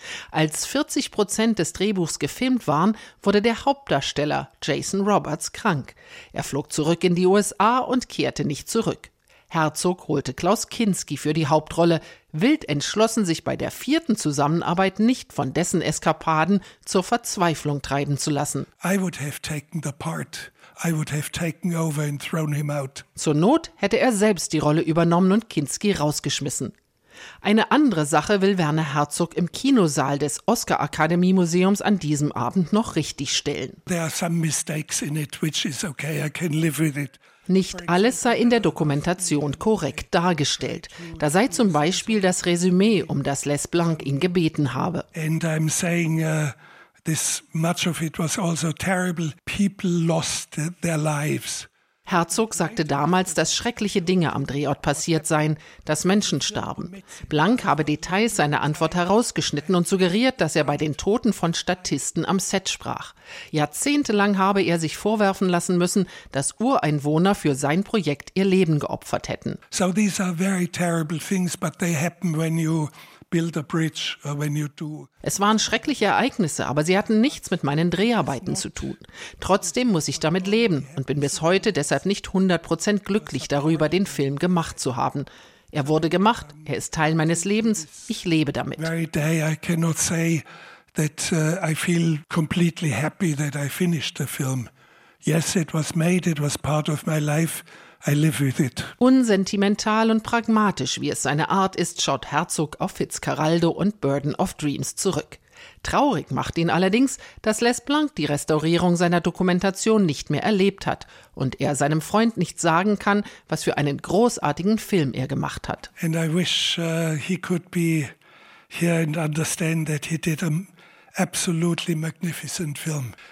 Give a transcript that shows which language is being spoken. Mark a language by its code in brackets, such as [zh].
[de] Als 40% des Drehbuchs gefilmt waren, wurde der Hauptdarsteller Jason Roberts krank. Er flog zurück in die USA und kehrte nicht zurück. Herzog holte Klaus Kinski für die Hauptrolle. Wild entschlossen, sich bei der vierten Zusammenarbeit nicht von dessen Eskapaden zur Verzweiflung treiben zu lassen. [en] I would have taken the part. I would have taken over and thrown him out. [de] Zur Not hätte er selbst die Rolle übernommen und Kinski rausgeschmissen. Eine andere Sache will Werner Herzog im Kinosaal des Oscar-Akademie-Museums an diesem Abend noch richtigstellen. [en] There are some mistakes in it, which is okay, I can live with it. [de] Nicht alles sei in der Dokumentation korrekt dargestellt. Da sei zum Beispiel das Resümee, um das Les Blanc ihn gebeten habe. [en] And I'm saying, this much of it was also terrible. People lost their lives. [de] Herzog sagte damals, dass schreckliche Dinge am Drehort passiert seien, dass Menschen starben. Blanc habe Details seiner Antwort herausgeschnitten und suggeriert, dass er bei den Toten von Statisten am Set sprach. Jahrzehntelang habe er sich vorwerfen lassen müssen, dass Ureinwohner für sein Projekt ihr Leben geopfert hätten. [en] So these are very terrible things, but they happen when you build a bridge or when you do. [de] Es waren schreckliche Ereignisse, aber sie hatten nichts mit meinen Dreharbeiten zu tun. Trotzdem muss ich damit leben und bin bis heute deshalb nicht 100% glücklich darüber, den Film gemacht zu haben. Er wurde gemacht, er ist Teil meines Lebens, ich lebe damit. [en] Every day I cannot say that I feel completely happy that I finished the film. Yes, it was made, it was part of my life. I live with it. [de] Unsentimental und pragmatisch, wie es seine Art ist, schaut Herzog auf Fitzcarraldo und Burden of Dreams zurück. Traurig macht ihn allerdings, dass Les Blanc die Restaurierung seiner Dokumentation nicht mehr erlebt hat und er seinem Freund nicht sagen kann, was für einen großartigen Film er gemacht hat. [en] And I wish he could be here and understand that he did an absolutely magnificent film.